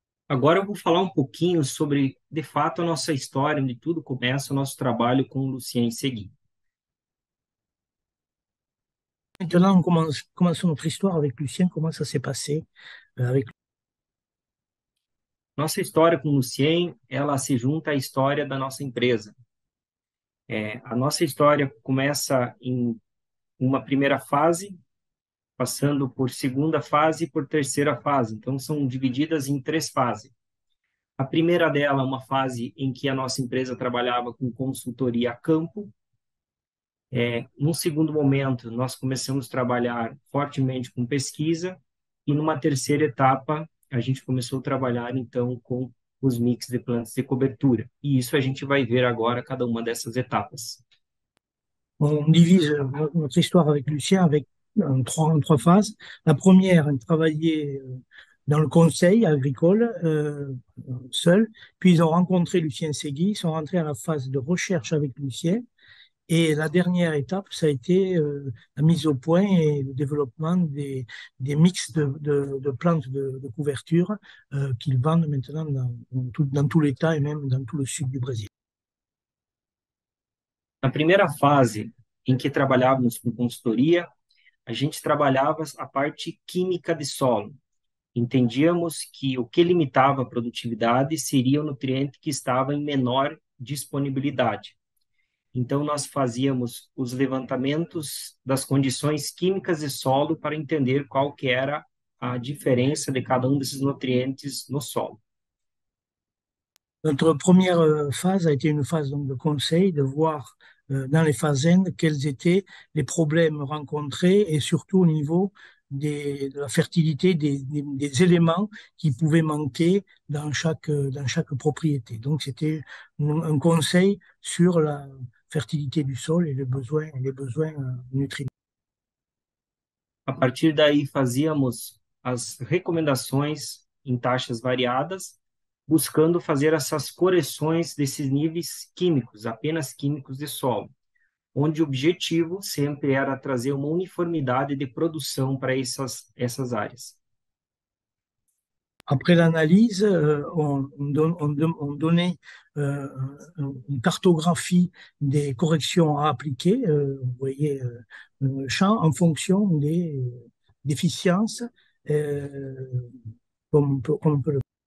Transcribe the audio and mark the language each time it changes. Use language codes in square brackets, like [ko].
[pt] Agora eu vou falar um pouquinho sobre, de fato, a nossa história, onde tudo começa, o nosso trabalho com o Lucien em seguida. [fr] Maintenant, commençons notre histoire avec Lucien. Comment ça s'est passé avec [pt] Nossa história com o Lucien, ela se junta à história da nossa empresa. A nossa história começa em uma primeira fase, passando por segunda fase e por terceira fase. Então, são divididas em três fases. A primeira dela é uma fase em que a nossa empresa trabalhava com consultoria a campo. Num segundo momento, nós começamos a trabalhar fortemente com pesquisa. E numa terceira etapa, a gente começou a trabalhar, então, com os mix de plantas de cobertura. E isso a gente vai ver agora cada uma dessas etapas. [fr] On divise notre histoire avec Lucien en trois phases. La première, on travaillait dans le conseil agricole seul. Puis ils ont rencontré Lucien Segui, ils sont rentrés à la phase de recherche avec Lucien. Et la dernière étape, ça a été la mise au point et le développement des mix de plantes de couverture qu'ils vendent maintenant dans tout l'État et même dans tout le sud du Brésil. [pt] Na primeira fase em que trabalhávamos com consultoria, a gente trabalhava a parte química de solo. Entendíamos que o que limitava a produtividade seria o nutriente que estava em menor disponibilidade. Então, nós fazíamos os levantamentos das condições químicas de solo para entender qual que era a diferença de cada um desses nutrientes no solo. [fr] Notre première phase a été une phase donc de conseil, de voir dans les fazendas quels étaient les problèmes rencontrés et surtout au niveau de la fertilité des éléments qui pouvaient manquer dans chaque propriété. Donc c'était un conseil sur la fertilité du sol et les besoins nutritionnels. [pt] A partir daí, fazíamos as recomendações em taxas variadas, buscando fazer essas correções desses níveis químicos, apenas químicos de solo, onde o objetivo sempre era trazer uma uniformidade de produção para essas áreas. [fr] Après l'analyse, on donnait une cartographie des corrections à appliquer, vous voyez, le champ en fonction des déficiences, comme on peut le.